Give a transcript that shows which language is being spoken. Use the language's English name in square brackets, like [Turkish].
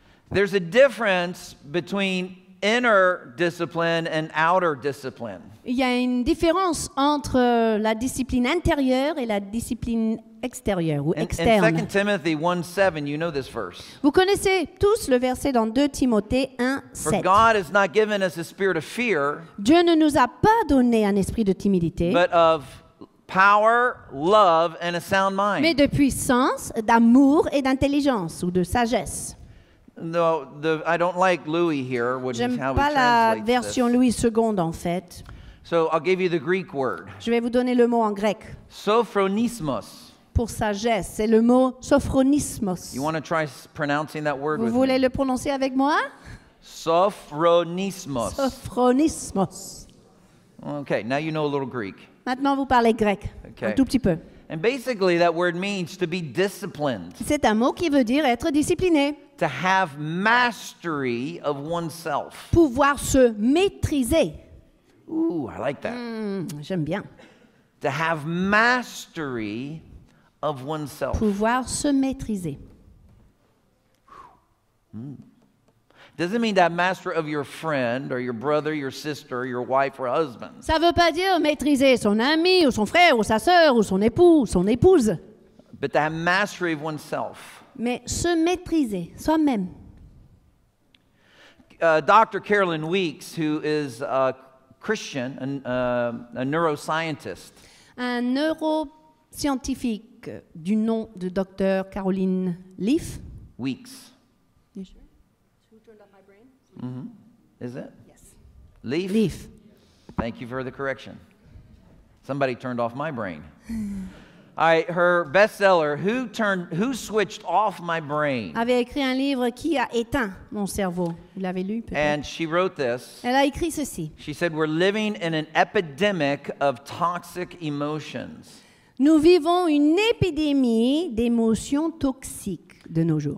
[English] There's a difference between inner discipline and outer discipline. [French] Il y a une différence entre la discipline intérieure et la discipline extérieure ou externe. [English] In 2 Timothy 1:7, you know this verse. [French] Vous connaissez tous le verset dans 2 Timothée 1:7. [English] For God has not given us a spirit of fear. [French] Dieu ne nous a pas donné un esprit de timidité. [English] But of power, love and a sound mind. [French] Mais de puissance, d'amour et d'intelligence ou de sagesse. [English] No, I don't like Louis here, which [French] J'aime [English] is how [French] pas [English] we translate [French] la version [English] this. [French] Louis II, en fait. [English] So I'll give you the Greek word. [French] Je vais vous donner le mot en grec. [Greek] Sophronismos. [French] Pour sagesse, c'est le mot sophronismos. [English] You want to try pronouncing that word [French] vous [English] with [French] voulez [English] me? [French] Le prononcer avec moi? [Greek] Sophronismos. Sophronismos. [English] Okay, now you know a little Greek. [French] Maintenant, vous parlez grec, okay. Un tout petit peu. [English] And basically, that word means to be disciplined. [French] C'est un mot qui veut dire être discipliné. [English] To have mastery of oneself. [French] Pouvoir se maîtriser. [English] Ooh, I like that. [French] J'aime bien. [English] To have mastery of oneself. [French] Pouvoir se maîtriser. [English] Does it mean to have mastery of your friend or your brother, your sister, your wife or husband? [French] Ça veut pas dire maîtriser son ami ou son frère ou sa sœur ou son époux, son épouse. [English] But to have mastery of oneself. [French] Mais se maîtriser soi-même. [English] Dr. Carolyn Weeks, who is a Christian, a neuroscientist. [French] Un neuroscientifique du nom de Dr. Caroline Leaf. [English] Weeks. Is it? Yes. Leaf? Leaf. Thank you for the correction. Somebody turned off my brain. All right, her bestseller, Who Switched Off My Brain? [French] Avait écrit un livre qui a éteint mon cerveau. Vous l'avez lu, peut-être? [English] And she wrote this. [French] Elle a écrit ceci. [English] She said, we're living in an epidemic of toxic emotions. [French] Nous vivons une épidémie d'émotions toxiques de nos jours.